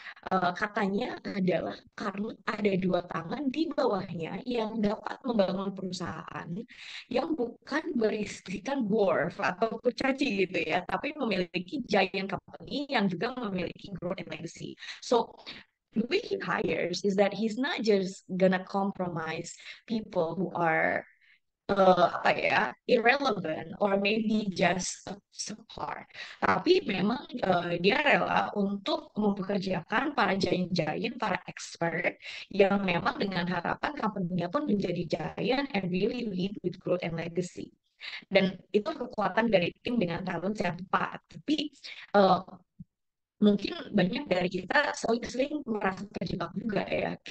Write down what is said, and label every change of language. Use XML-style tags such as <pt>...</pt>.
<id>Katanya adalah karena ada dua tangan di bawahnya yang dapat membangun perusahaan yang bukan beristrikan dwarf atau kurcaci gitu ya, tapi memiliki giant company yang juga memiliki</id> <en>growth and legacy. So, the way he hires is that he's not just gonna compromise people who are</en> <id>apa ya,</id> <en>irrelevant or maybe just subpar.</en> <id>Tapi memang dia rela untuk mempekerjakan para giant-giant, para expert yang memang dengan harapan company-nya pun menjadi giant</id> <en>and really lead with growth and legacy.</en> <id>Dan itu kekuatan dari tim dengan talent yang tepat. Tapi mungkin banyak dari kita sering merasa terjebak juga ya.</id>